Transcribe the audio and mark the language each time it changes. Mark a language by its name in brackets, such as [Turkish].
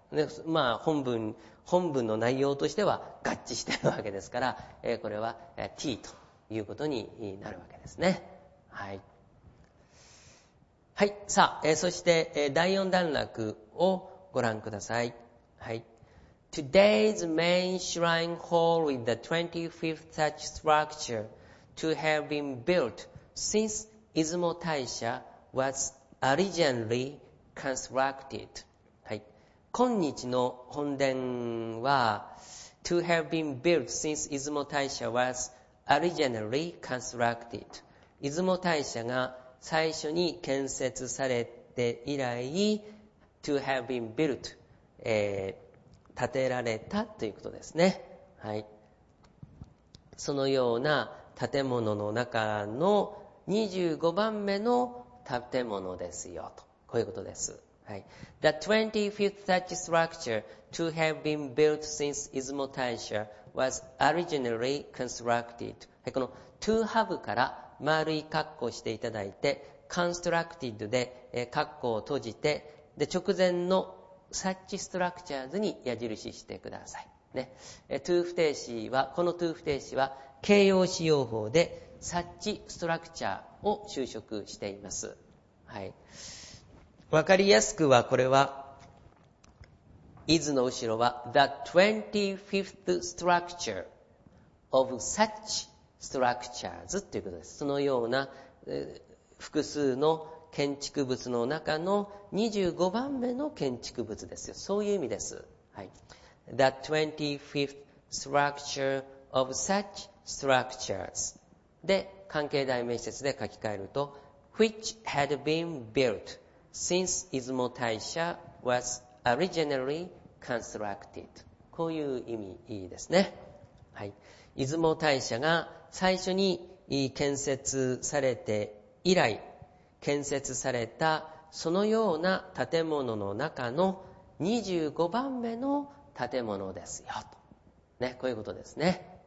[Japanese] で、まあ本文の内容としては合致しているわけですから、これは T ということになるわけですね。はいはい、さあ、そして、第4段落をご覧ください。 [English] はい、Today's main shrine hall with the 25th such structure to have been built since 出雲大社 was originally constructed。はい、 [Japanese] 今日の本殿は [English] to have been built since 出雲大社 was originally constructed。 [Japanese] 出雲大社が最初に建設されて以来、 [English] to have been built、 [Japanese] 建てられたということですね。はい、そのような建物の中の25番目の建物ですよと、こういうことです。 [English] はい、The 25th such structure to have been built since 出雲大社 was originally constructed。 [Japanese] はい、この to have から丸い括弧をしていただいて、 constructed で括弧を閉じて、で直前の such structures に矢印してください。ね、to 不定詞は、この to 不定詞は形容詞用法で such structure を修飾しています。はい、わかりやすくはこれは is の後ろは [English] the 25th structure of suchstructures [Japanese] ということです。そのような、複数の建築物の中の25番目の建築物ですよ。そういう意味です。 [English] はい、The 25th structure of such structures で、 [Japanese] 関係代名詞で書き換えると、 [English] which had been built since 出雲大社 was originally constructed。 [Japanese] こういう意味ですね。はい、出雲大社が最初に建設されて以来、建設されたそのような建物の中の25番目の建物ですよと、ね、こういうことですね。